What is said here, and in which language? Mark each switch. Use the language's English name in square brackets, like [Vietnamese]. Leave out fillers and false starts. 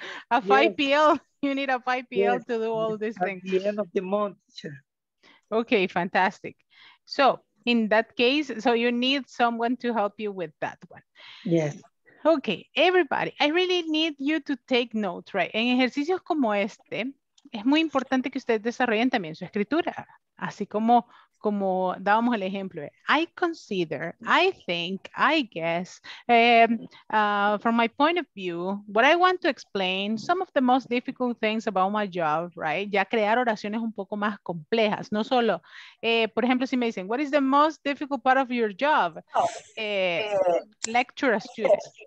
[English] A 5PL. You need a 5PL to do all these things. At the end of the month, teacher. Okay, fantastic. So in that case, so you need someone to help you with that one. Yes. Okay, everybody. I really need you to take notes, right? [Spanish] En ejercicios como este, es muy importante que ustedes desarrollen también su escritura. Así como dábamos el ejemplo. [English] I consider, I think, I guess, from my point of view, what I want to explain, some of the most difficult things about my job, right? [Spanish] Ya crear oraciones un poco más complejas. No solo, por ejemplo, si me dicen, [English] what is the most difficult part of your job? Lecture a student.